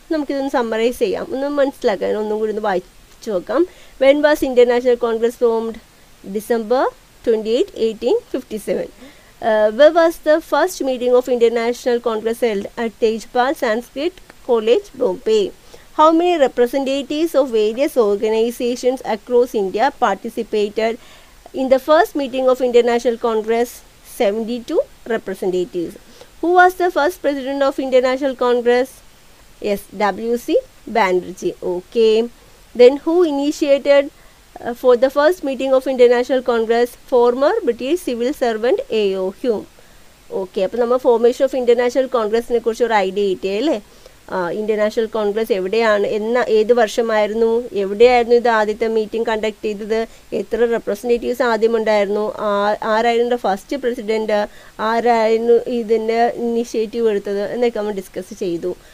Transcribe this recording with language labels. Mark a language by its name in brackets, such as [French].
[Malayalam] നമുക്കിതൊന്ന് സമ്മറൈസ് ചെയ്യാം, ഒന്ന് മനസ്സിലാക്കാൻ ഒന്നും കൂടി ഒന്ന് വായിച്ചു നോക്കാം. [English] When was Indian National Congress formed? December 28, 1857. Where was the first meeting of Indian National Congress held? At Tejpal Sanskrit College, Bombay. How many representatives of various organizations across India participated in the first meeting of Indian National Congress? 72 representatives. Who was the first president of Indian National Congress? Yes, W.C. Banerjee. Okay. Then who initiated for the first meeting of International Congress? Former British civil servant A.O. Hume. [Malayalam] Okay, അപ്പോൾ നമ്മൾ formation of international കോൺഗ്രസിനെ കുറിച്ച് ഒരു idea കിട്ടിയ അല്ലേ. International Congress എവിടെയാണ്, എന്ന ഏത് വർഷമായിരുന്നു, എവിടെയായിരുന്നു ഇത് ആദ്യത്തെ മീറ്റിംഗ് കണ്ടക്ട് ചെയ്തത്, എത്ര റെപ്രസെൻറ്റേറ്റീവ്സ് ആദ്യമുണ്ടായിരുന്നു, ആരായിരുന്നു ഫസ്റ്റ് പ്രസിഡൻറ്, ആരായിരുന്നു ഇതിൻ്റെ ഇനിഷ്യേറ്റീവ് എടുത്തത് എന്നൊക്കെ നമ്മൾ ഡിസ്കസ് ചെയ്തു.